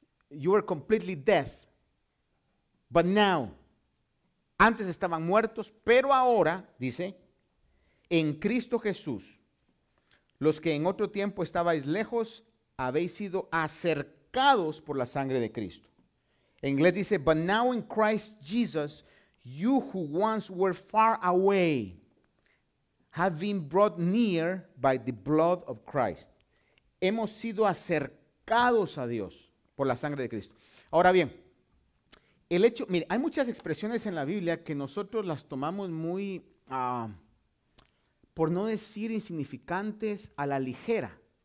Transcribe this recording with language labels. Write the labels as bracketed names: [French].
[English] you were completely dead, but now, [Spanish] antes estaban muertos, pero ahora, dice, en Cristo Jesús, los que en otro tiempo estabais lejos, habéis sido acercados por la sangre de Cristo. En inglés dice: [English] but now in Christ Jesus, you who once were far away have been brought near by the blood of Christ. [Spanish] Hemos sido acercados a Dios por la sangre de Cristo. Ahora bien, el hecho, mire, hay muchas expresiones en la Biblia que nosotros las tomamos muy, por no decir insignificantes, a la ligera.